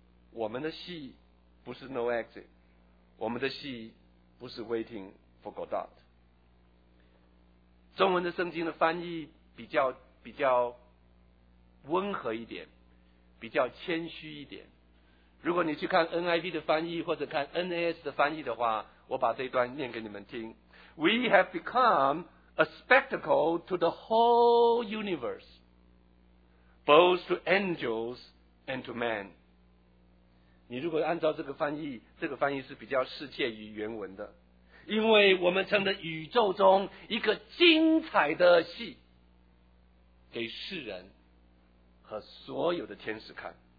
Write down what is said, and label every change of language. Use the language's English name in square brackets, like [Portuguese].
[Chinese] 我们的戏不是 No Exit， 我们的戏不是 Waiting for Godot。中文的圣经的翻译比较温和一点，比较谦虚一点。如果你去看 NIV 的翻译或者看 NAS 的翻译的话，我把这一段念给你们听。 [English] We have becomeA spectacle to the whole universe, both to angels and to man. [Chinese] 你如果按照这个翻译，这个翻译是比较适切于原文的，因为我们成了宇宙中一个精彩的戏，给世人和所有的天使看。